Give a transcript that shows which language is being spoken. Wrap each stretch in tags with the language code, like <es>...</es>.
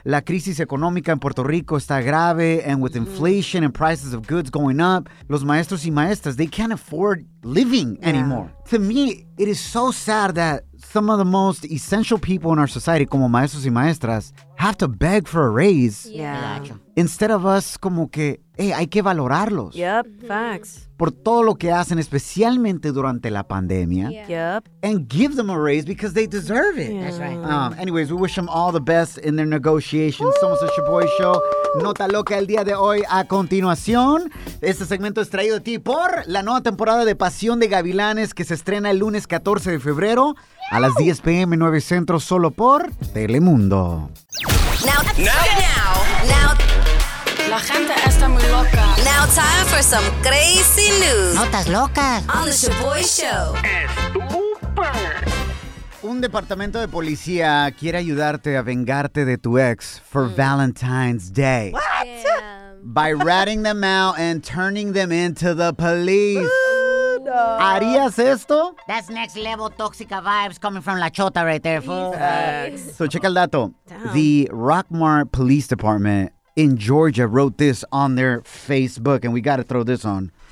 <es>La crisis económica en Puerto Rico está grave,</es> <en>and with inflation and prices of goods going up,</en> <es>los maestros y maestras,</es> <en>they can't afford living anymore. Yeah. To me, it is so sad that some of the most essential people in our society,</en> <es>como maestros y maestras,</es> <en>have to beg for a raise. Yeah. Instead of us,</en> <es>como que, hey, hay que valorarlos.</es> <en>Yep, facts.</en> <es>Por todo lo que hacen, especialmente durante la pandemia.</es> <en>Yeah. Yep. And give them a raise because they deserve it. Yeah. That's right. Anyways, we wish them all the best in their negotiations.</en> <es>Woo! Somos el Shaboy Show. Nota loca el día de hoy. A continuación, este segmento es traído a ti por la nueva temporada de Pasión de Gavilanes que se estrena el lunes 14 de febrero a las 10 p.m. 9 Centro, solo por Telemundo.</es> <en>Now.</en> <es>La gente está muy loca.</es> <en>Now time for some crazy news.</en> <es>Notas locas.</es> <en>On the Shaboy Show.</en> <es>Un departamento de policía quiere ayudarte a vengarte de tu ex</es> <en>for Valentine's Day. What? Damn. By ratting them out and turning them into the police. No.</en> <es>¿Harías esto?</es> <en>That's next level toxica vibes coming from La Chota right there, fool. So check</en> <es>el dato.</es> <en>Damn. The Rockmart Police Department in Georgia wrote this on their Facebook, and we got to throw this on.</en>